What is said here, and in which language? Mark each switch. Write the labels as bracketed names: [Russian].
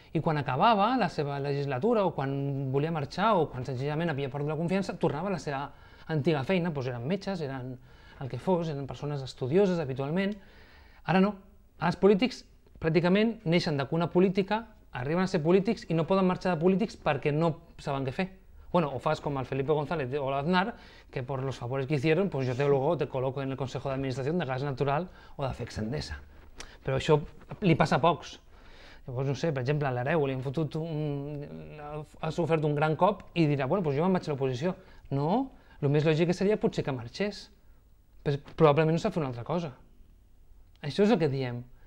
[Catalan] I quan acabava la seva legislatura, o quan volia marxar, o quan senzillament havia perdut la confiança, tornava a la seva antiga feina, doncs eren metges, eren el que fos, eren persones estudioses habitualment. Ara no, ara els polítics pràcticament neixen de cuna política, arriben a ser polítics i no poden marxar de polítics perquè no saben què fer. [Spanish] Bueno, [Catalan] o fas com [Spanish] el Felipe González o l'Aznar, que por los favores que hicieron, pues yo te luego te coloco en el Consejo de Administración de Gas Natural o de Fecsa Endesa. [Catalan] Però això li passa a pocs. Llavors, no sé, per exemple, a l'Hereu li han fotut ha sofert un gran cop i dirà, bueno, pues jo me'n vaig a l'oposició. No, el més lògic seria potser que marxés. Però probablement no s'ha fet una altra cosa. Això és el que diem,